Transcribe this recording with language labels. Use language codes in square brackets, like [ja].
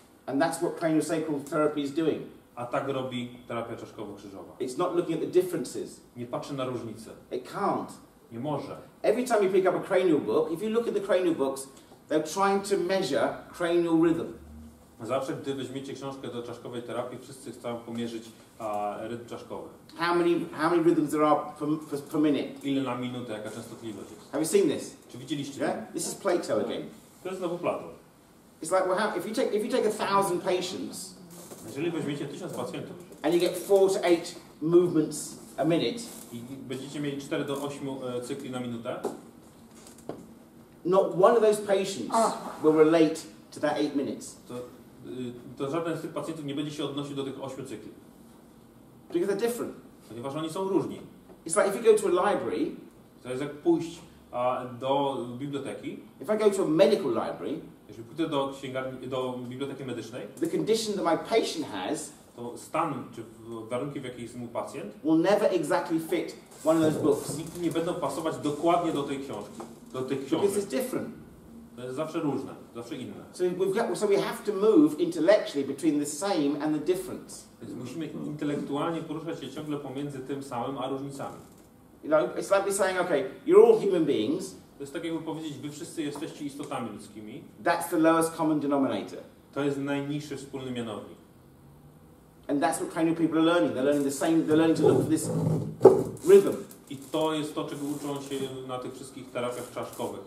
[en] And that's what craniosacral therapy is doing. [pl] A tak robi terapia czaszkowo-krzyżowa. [en] It's not looking at the differences. [pl] Nie patrzy na różnice. [en] It can't. [pl] Nie może. [en] Every time you pick up a cranial book, if you look at the cranial books, they're trying to measure cranial rhythm. [pl] Zawsze, gdy weźmiecie książkę do czaszkowej terapii, wszyscy chcą pomierzyć rytm czaszkowy. [en] How many rhythms there are per minute? [pl] Ile na minutę, jaka częstotliwość jest? [en] Have you seen this? [pl] Czy widzieliście? Yeah? [en] This is Plato again. [pl] To jest znowu Plato. [en] It's like, well, if you take 1,000 patients, [pl] jeżeli weźmiecie 1,000 pacjentów, [en] and you get 4 to 8 movements a minute, [pl] i będziecie mieli 4 do 8 cykli na minutę, [en] not one of those patients will relate to that 8 minutes. [pl] To żaden z tych pacjentów nie będzie się odnosił do tych 8 cykli. [en] Because they're different. [pl] Ponieważ oni są różni. [en] It's like if you go to a library, [pl] to jest jak pójść do biblioteki. [en] If I go to a medical library, [pl] jeżeli pójdę do biblioteki medycznej, [en] the condition that my patient has, [pl] to stan czy warunki, w jakich jest mój pacjent, [en] will never exactly fit one of those books. [pl] Nigdy nie będą pasować dokładnie do tej książki, do tych książek. [en] Because it's different. [pl] To jest zawsze różne, zawsze inne. [en] So we have to move intellectually between the same and the different. [pl] Więc musimy intelektualnie poruszać się ciągle pomiędzy tym samym a różnicami. [en] You know, it's like saying, okay, you're all human beings. [pl] To jest tak, jakby powiedzieć, wy wszyscy jesteście istotami ludzkimi. [en] That's the lowest common denominator. [pl] To jest najniższy wspólny mianownik. [en] And that's what kind of people are learning. They're learning the same. They're learning to look for this rhythm. [pl] I to jest to, czego uczą się na tych wszystkich terapiach czaszkowych.